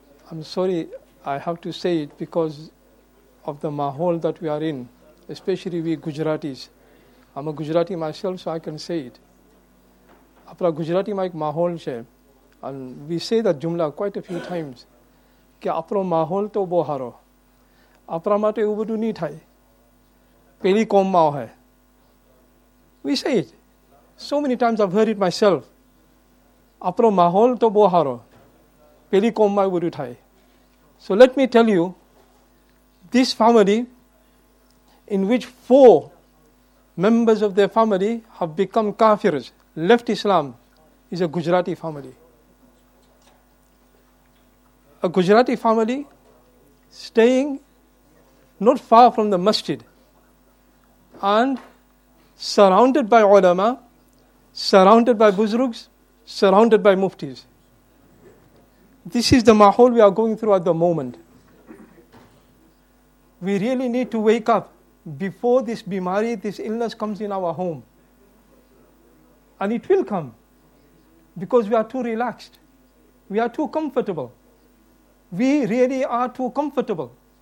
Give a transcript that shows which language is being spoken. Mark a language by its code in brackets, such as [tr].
[en] I'm sorry I have to say it because of the mahol that we are in, especially we Gujaratis. I'm a Gujarati myself, so I can say it. [gu] Apra Gujarati mai mahol che, [en] and we say that jumla quite a few times. [gu] Ke apro mahol to boharo. આપણા માટે એવું બધું નહીં થાય પેલી કોમમાં હોય [en] we say it so many times I have heard it myself [gu] આપણો માહોલ તો બહુ સારો પેલી કોમમાં એવું બધું થાય [en] So let me tell you this family in which 4 members of the family have become કાફિર્સ left Islam is a Gujarati family a Gujarati family staying not far from the masjid and surrounded by ulama, surrounded by buzrugs, surrounded by muftis. This is the mahol we are going through at the moment. We really need to wake up before this bimari, this illness comes in our home. And it will come because we are too relaxed. We are too comfortable. We really are too comfortable.